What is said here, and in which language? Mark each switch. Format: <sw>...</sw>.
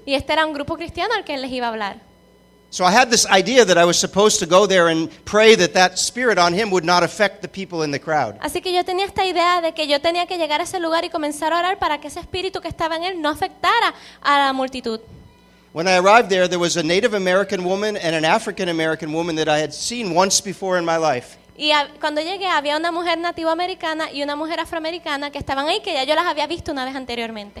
<es>Y este era un grupo cristiano al que él les iba a hablar.</es> <en>So I had this idea that I was supposed to go there and pray that that spirit on him would not affect the people in the crowd.</en> <es>Así que yo tenía esta idea de que yo tenía que llegar a ese lugar y comenzar a orar para que ese espíritu que estaba en él no afectara a la multitud.</es> <en>When I arrived there, there was a Native American woman and an African American woman that I had seen once before in my life.</en> <es>Y cuando llegué había una mujer nativa americana y una mujer afroamericana que estaban ahí que ya yo las había visto una vez anteriormente.</es>